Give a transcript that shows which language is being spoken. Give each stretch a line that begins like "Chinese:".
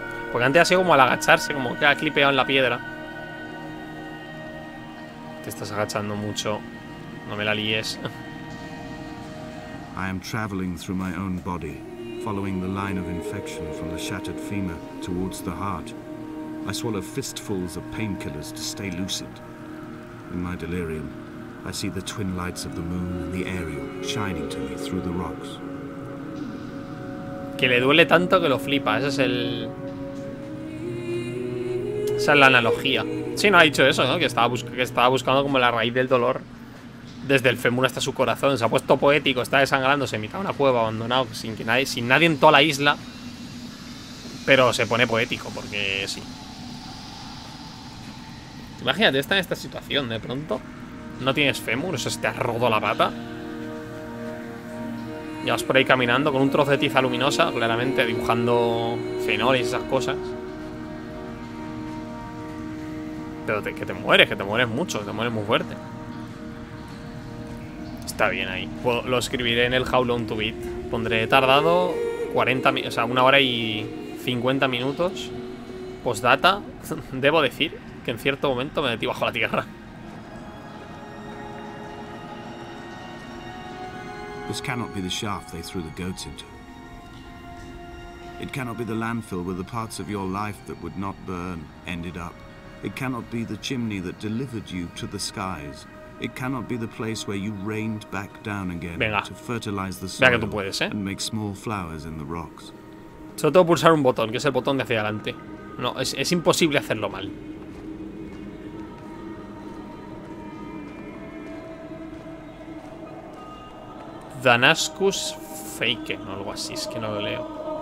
Spanish: Porque antes ha sido como al agacharse, como que ha clipeado en la piedra. Te estás agachando mucho. No me la líes.
English: I am traveling through my own body, following the line of infection from the shattered femur towards the heart. I swallow fistfuls of painkillers to stay lucid. In my delirium, I see the twin lights of the moon and the aerial shining to me through the rocks.
Spanish: Que le duele tanto que lo flipa. Ese es el... Esa es la analogía. Sí, no, ha dicho eso, ¿no? Que estaba buscando como la raíz del dolor desde el fémur hasta su corazón. Se ha puesto poético, está desangrándose en mitad de una cueva abandonado, sin nadie en toda la isla. Pero se pone poético, porque sí. Imagínate, está en esta situación, de pronto. No tienes fémur, o sea, se te ha roto la pata. Y vas por ahí caminando con un trozo de tiza luminosa, claramente dibujando fenoles y esas cosas. Pero que te mueres muy fuerte. Está bien ahí. Lo escribiré en el How Long to Beat. Pondré tardado 40, o sea, una hora y 50 minutos. Postdata. Debo decir que en cierto momento me metí bajo la tierra.
English: This cannot be the shaft they threw the goats into. It cannot be the landfill where the parts of your life that would not burn ended up. It cannot be the chimney that delivered you to the skies. It cannot be the place where you rained back down again.
Spanish: Venga.
English: To fertilize the soil.
Spanish: Venga, que tú puedes, ¿eh?
English: And make small flowers in the rocks.
Spanish: Solo tengo que pulsar un botón, que es el botón de hacia adelante. No, es imposible hacerlo mal. Danascus Faken o algo así, es que no lo leo.